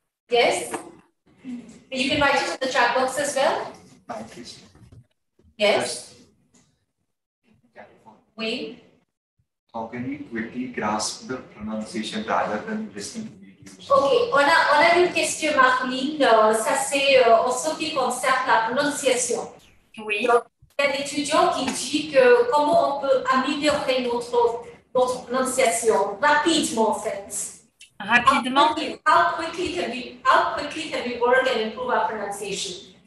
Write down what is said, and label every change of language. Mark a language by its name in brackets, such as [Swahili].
[English] Yes. You can write it in the chat box as well. Yes. Wait. How can you quickly grasp the pronunciation rather than listening to videos? [French] Ok, on a une question, Marlene. Ça c'est en ce qui concerne la prononciation. Oui. Donc, il y a un étudiant qui dit que comment on peut améliorer notre prononciation rapidement, en fait. Rapidement. [English] How quickly can we work and improve our pronunciation?